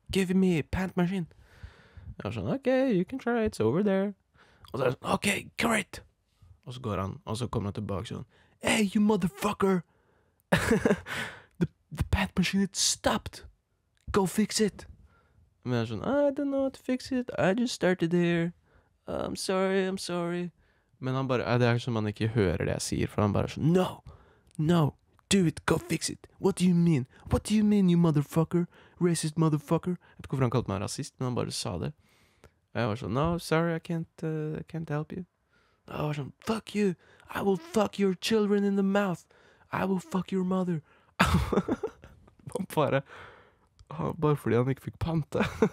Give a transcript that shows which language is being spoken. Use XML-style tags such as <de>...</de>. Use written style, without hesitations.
<en>Give me a pant machine.</en> <no>Jeg er sånn,</no> <en>okay, you can try, it's over there.</en> <no>Og så er han sånn, okay, great. Og så går han, og så kommer han tilbake sånn,</no> <en>hey, you motherfucker. the pant machine, it stopped. Go fix it.</en> <no>Men jeg er sånn,</no> <en>I don't know how to fix it. I just started here. I'm sorry.</en> <no>Men han bare, det er som han ikke hører det jeg sier. For han bare er sånn,</no> <en>no. Do it, go fix it. What do you mean, you motherfucker? Racist motherfucker.</en> <no>Jeg vet ikke hvorfor han kalte meg rasist, men han bare sa det. Og jeg var sånn,</no> <en>no, sorry, I can't help you.</en> <no>Og jeg var sånn,</no> <en>fuck you. I will fuck your children in the mouth. I will fuck your mother.</en> <no>Han bare, bare fordi han ikke fikk pante.</no>